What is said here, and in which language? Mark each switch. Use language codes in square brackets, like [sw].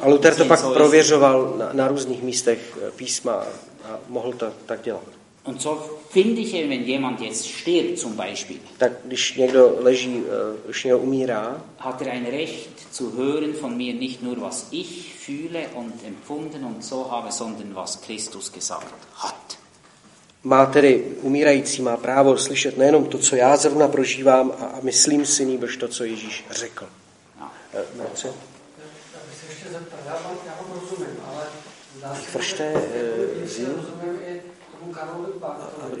[cs] A Luther to pak prověřoval na různých místech písma a mohl to tak dělat. [de] Und so finde ich, wenn jemand jetzt stirbt zum Beispiel, [cs] tak když někdo leží, když někdo umírá, [de] hat er ein Recht zu hören von mir nicht nur was ich fühle und empfunden und so habe, sondern was Christus gesagt hat. [cs] Má tedy umírající má právo slyšet nejenom to, co já zrovna prožívám a myslím si, nýbrž to, co Ježíš řekl. No. Já bych se ještě zeptal, já vám rozumím, ale zdá se, že rozumím i tomu Karolu Barthovi.